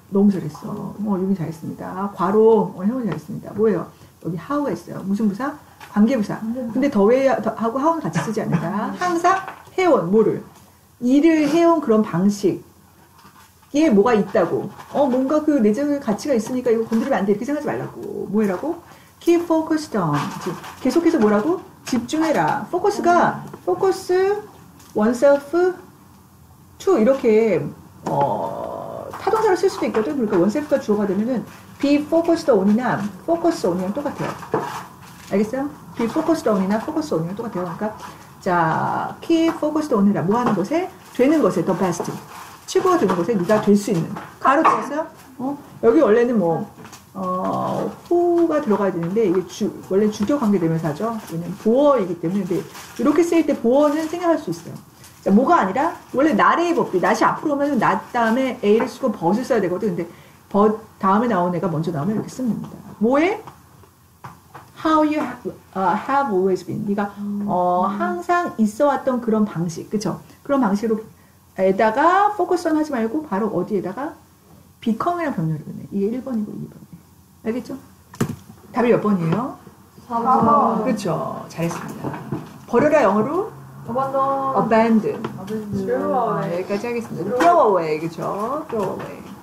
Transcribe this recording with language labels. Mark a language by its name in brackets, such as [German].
[Korean] 너무 잘했어. 유미 잘했습니다. 괄호. 형은 잘했습니다. 뭐예요? 여기 how가 있어요. 무슨 부사? 관계부사. 근데 더하고 how는 같이 쓰지 않는다. 항상 해온, 뭐를. 일을 해온 그런 방식에 뭐가 있다고. 뭔가 그 내적인 가치가 있으니까 이거 건드리면 안 돼. 이렇게 생각하지 말라고. 뭐라고? [English] keep focused on. [Korean] 계속해서 뭐라고? 집중해라. focus가 focus oneself 이렇게 타동사를 쓸 수도 있거든. 그러니까 원셀프가 주어가 되면은 be focused on이나 focus on이랑 똑같아요. 알겠어요? [English] be focused on [Korean] 이나 focus on이랑 똑같아요. 그러니까 자, keep focused on이나 뭐 하는 것에 되는 것에 the best. 최고가 되는 것에 네가 될 수 있는. 가로 들었어요? 어? 여기 원래는 뭐 who가 들어가야 되는데 이게 원래 주격 관계 대명사죠. 왜냐면 보어이기 때문에. 근데 이렇게 쓰일 때 보어는 생략할 수 있어요. 자, 뭐가 아니라 원래 나래의 법칙. 낫이 앞으로 오면 낫 다음에 A를 쓰고 but을 써야 되거든. 근데 but 다음에 나온 애가 먼저 나오면 이렇게 쓰면 됩니다. 뭐에? [English] How you have always been. [Korean] 네가 항상 있어 왔던 그런 방식. 그쵸? 그런 방식으로 에다가 focus on 하지 말고 바로 어디에다가 become이랑 병렬을 보내. 이게 1번이고 2번이. 알겠죠? 답이 몇 번이에요? 4번. 그쵸. 잘했습니다. 버려라 영어로? Abandon. 여기까지 하겠습니다. [English] Throw away. [Korean] 그쵸? Throw away.